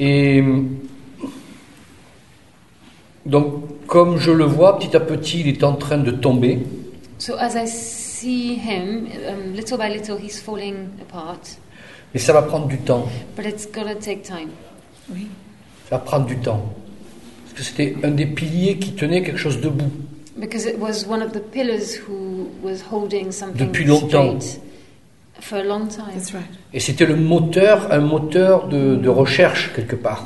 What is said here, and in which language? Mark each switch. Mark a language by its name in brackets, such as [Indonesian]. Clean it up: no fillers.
[French] Et donc comme je le vois, petit à petit, il est en train de tomber. [English] So as I see him, little by little, he's falling apart. [French] Mais ça va prendre du temps. [English] But it's gonna take time. [French] Oui. Ça va prendre du temps. Parce que c'était un des piliers qui tenait quelque chose debout. [English] Because it was one of the pillars who was holding something [French] depuis longtemps. [English] Straight for a long time. That's right. [French] Et c'était le moteur, un moteur de recherche quelque part.